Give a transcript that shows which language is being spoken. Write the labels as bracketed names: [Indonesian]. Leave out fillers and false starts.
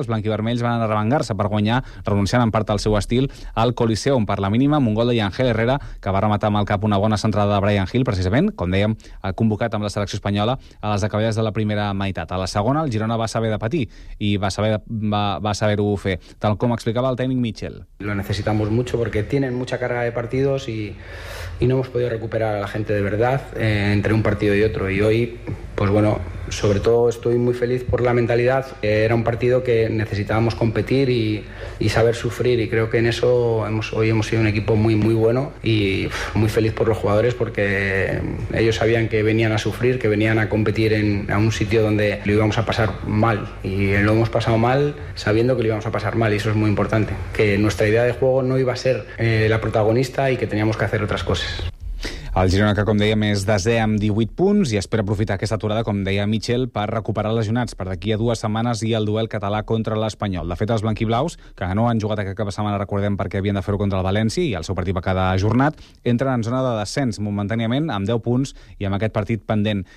[Catalan] Els blanquivermells van arrevengar-se per guanyar, renunciant en part al seu estil, al Coliseum per la mínima, amb un gol de Yangel Herrera, que va rematar amb el cap una bona centrada de Brian Hill, precisament, com dèiem, convocat amb la selecció espanyola a les acaballades de la primera meitat. A la segona, el Girona va saber de patir i va saber-ho fer, tal com explicava el tècnic Mitchell. [Spanish] Lo necesitamos mucho porque tienen mucha carga de partidos y no hemos podido recuperar a la gente de verdad entre un partido y otro. Y hoy, pues bueno, sobre todo estoy muy feliz por la mentalidad. Era un partido que necesitábamos competir y saber sufrir. Y creo que en eso hoy hemos sido un equipo muy, muy bueno y muy feliz por los jugadores porque ellos sabían que venían a sufrir, que venían a competir en un sitio donde lo íbamos a pasar mal. Y lo hemos pasado mal sabiendo que lo íbamos a pasar mal. Y eso es muy importante, que nuestra idea de juego no iba a ser la protagonista y que teníamos que hacer otras cosas. [Catalan] El Girona, que com dèiem és desè amb 18 punts i espera aprofitar aquesta aturada, com deia Mitchell, per recuperar lesionats per d'aquí a 2 setmanes i el duel català contra l'Espanyol. De fet, els blanquiblaus, que no han jugat aquest cap de setmana, recordem, perquè havien de fer-ho contra el València i el seu partit va quedar ajornat, entren en zona de descens momentàniament amb 10 punts i amb aquest partit pendent.